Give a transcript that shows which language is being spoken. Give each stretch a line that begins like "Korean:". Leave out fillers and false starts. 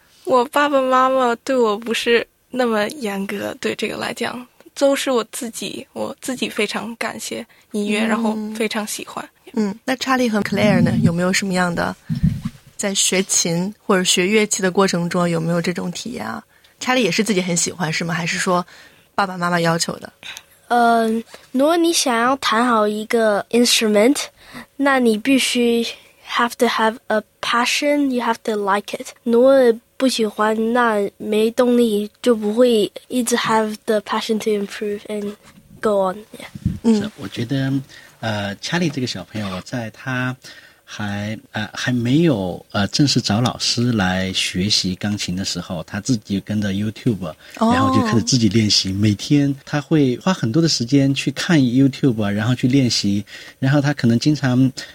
Chinese: 我爸爸妈妈对我不是那么严格，对这个来讲都是我自己非常感谢音乐，然后非常喜欢。那查理和 Claire 呢，有没有什么样的在学琴或者学乐器的过程中有没有这种体验啊？查理也是自己很喜欢是吗？还是说爸爸妈妈要求的？如果你想要弹好一个
English: instrument,
Chinese: 那你必须
English: have to have a passion, you have to like it.
Chinese: 如果不喜欢那没动力就不会一直
English: have the passion to improve and go on.、
Chinese: 我觉得查理这个小朋友在他还没有正式找老师来学习钢琴的时候，他自己跟着 YouTube, 然后就开始自己练习。每天他会花很多的时间去看 YouTube, 然后去练习，然后他可能经常